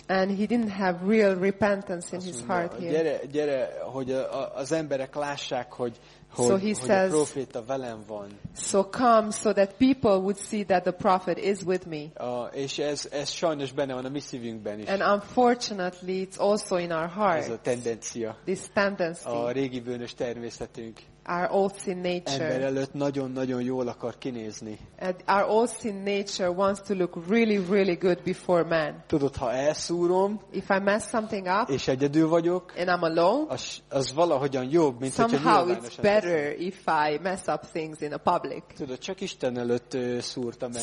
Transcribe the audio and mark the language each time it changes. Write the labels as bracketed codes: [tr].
[en] And he didn't have real repentance in his heart here. [hu] Gyere, hogy az emberek lássák, hogy a proféta velem van. [en] So come so that people would see that the prophet is with me. [hu] És ez sajnos benne van a mi szívünkben is. [en] And unfortunately it's also in our hearts. [hu] Ez a tendencia. [en] This tendency. [hu] A régi bűnös természetünk. [en] Our old sin nature. [hu] Ember előtt nagyon-nagyon jól akar kinézni. [en] And our old sin nature wants to look really, really good before man. [hu] Tudod, ha elszúrom, [en] if I mess something up, [hu] és egyedül vagyok, [en] and I'm alone, [hu] az valahogyan jobb, mint hogyha nyilvánosan. [en] Somehow it's better if I mess up things in a public. [hu] Tudod, csak Isten előtt szúrtam el.